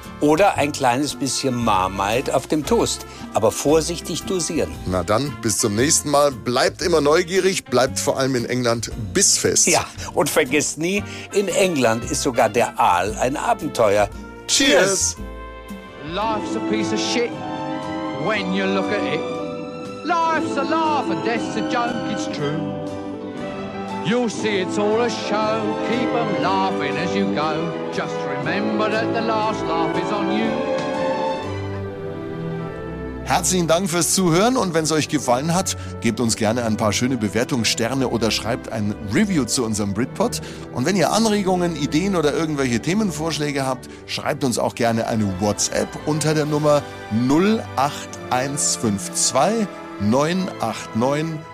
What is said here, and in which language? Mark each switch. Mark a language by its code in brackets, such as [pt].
[de] Oder ein kleines bisschen Marmite auf dem Toast, aber vorsichtig dosieren. Na dann, bis zum nächsten Mal. Bleibt immer neugierig, bleibt vor allem in England bissfest. Ja, und vergesst nie, in England ist sogar der Aal ein Abenteuer. Cheers! [en] Life's a piece of shit when you look at it. Life's a laugh and death's a joke, it's true. You'll see it's all a show. Keep them laughing as you go. Just remember that the last laugh is on you. [de] Herzlichen Dank fürs Zuhören und wenn es euch gefallen hat, gebt uns gerne ein paar schöne Bewertungssterne oder schreibt ein Review zu unserem Britpod. Und wenn ihr Anregungen, Ideen oder irgendwelche Themenvorschläge habt, schreibt uns auch gerne eine WhatsApp unter der Nummer 08152 989